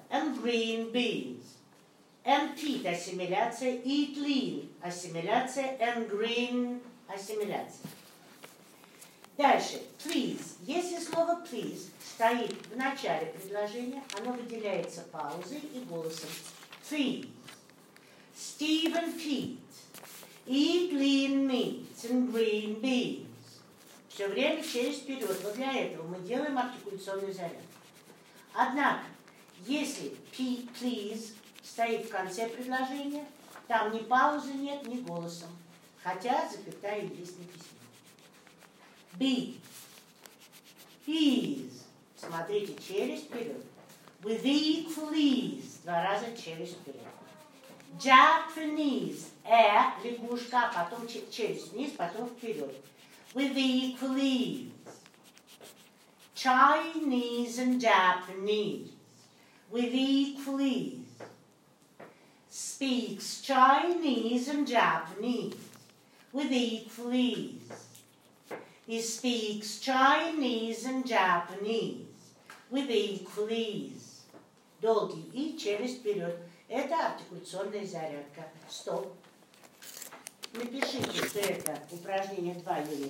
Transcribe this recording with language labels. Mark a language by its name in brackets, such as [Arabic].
[English] And green beans. And Pete. [Russian] Ассимиляция. [English] Eat lean. Ассимиляция. And green. [Russian] Ассимиляция. Дальше. [English] Please. [Russian] Если слово please стоит в начале предложения, оно выделяется паузой и голосом. [English] Please. Steve and Pete, eat lean meat and green beans. [Russian] Все время через вперед. Но для этого мы делаем артикуляционный заряд. Однако, если please стоит в конце предложения, там ни паузы нет, ни голосом. Хотя запятая есть на письме. [English] Be. Is. [Russian] Смотрите, через вперед. [English] With equal ease. [Russian] Два раза через вперед. Japanese, лягушка, потом челюсть вниз, потом вперед. [English] With equal ease. Chinese and Japanese. With equal ease. Speaks Chinese and Japanese. With equal ease. He speaks Chinese and Japanese. With equal ease. [Russian] Долгий и челюсть вперед. Это артикуляционная зарядка. Стоп. Напишите, что это упражнение 2 юнит.